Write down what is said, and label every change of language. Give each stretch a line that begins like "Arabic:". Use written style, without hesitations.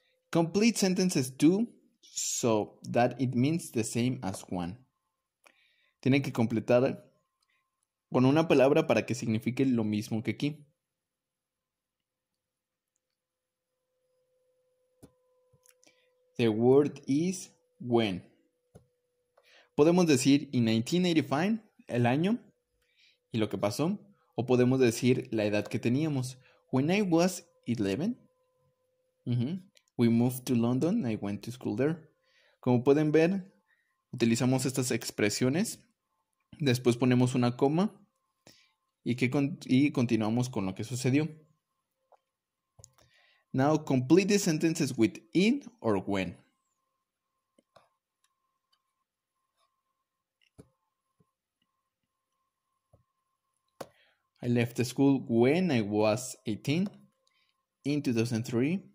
English: Complete sentences two, so that it means the same as one.
Spanish: Tienen que completar con una palabra para que signifique lo mismo que aquí.
English: The word is when.
Spanish: Podemos decir
English: in 1985,
Spanish: el año, y lo que pasó. O podemos decir la edad que teníamos.
English: When I was 11. We moved to London, I went to school there.
Spanish: Como pueden ver, utilizamos estas expresiones. Después ponemos una coma y continuamos con lo que sucedió.
English: Now complete the sentences with in or when. I left the school when I was 18. In 2003.